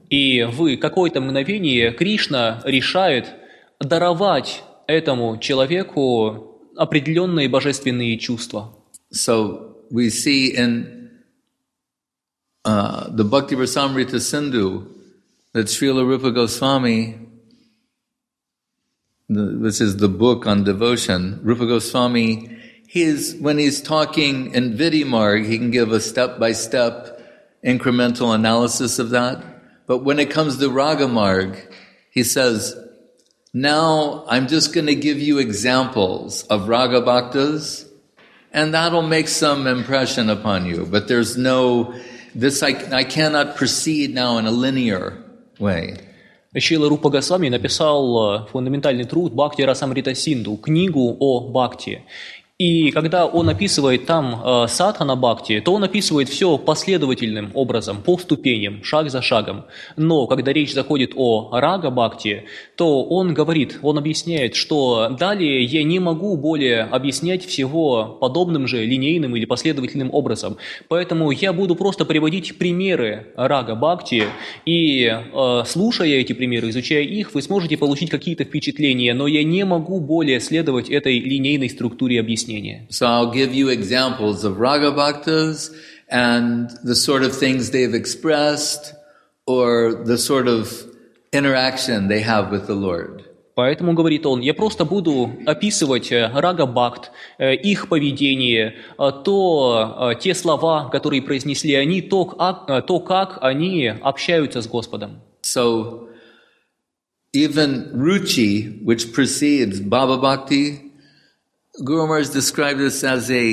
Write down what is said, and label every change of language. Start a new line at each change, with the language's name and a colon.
Russian: И в какое-то мгновение Кришна решает даровать этому человеку определенные божественные чувства.
English: So we see in the Bhaktivedanta Sindhu that Srila Rupa Goswami, which is the book on devotion, Rupa Goswami, when he's talking in Vidhimarg, he can give a step-by-step incremental analysis of that. But when it comes to Ragamarg, he says, now I'm just going to give you examples of Raga Bhaktas, and that'll make some impression upon you. But there's no, I cannot proceed now in a linear way.
Russian: Шрила Рупа Госвами написал фундаментальный труд Бхакти Расамрита Синду, книгу о Бхакти. И когда он описывает там садхана бхакти, то он описывает все последовательным образом, по ступеням, шаг за шагом. Но когда речь заходит о рага бхакти, то он говорит, он объясняет, что далее я не могу более объяснять всего подобным же линейным или последовательным образом. Поэтому я буду просто приводить примеры рага бхакти, и слушая эти примеры, изучая их, вы сможете получить какие-то впечатления, но я не могу более следовать этой линейной структуре объяснения.
English: So I'll give you examples of Raga Bhaktas and the sort of things they've expressed or the sort of interaction they have with the Lord.
Russian: Поэтому, говорит он, я просто буду описывать Рага Бхакт, их поведение, то те слова, которые произнесли они, то, как они общаются с Господом.
English: So even Ruchi, which precedes Baba Bhakti, Guru Maharaj described this as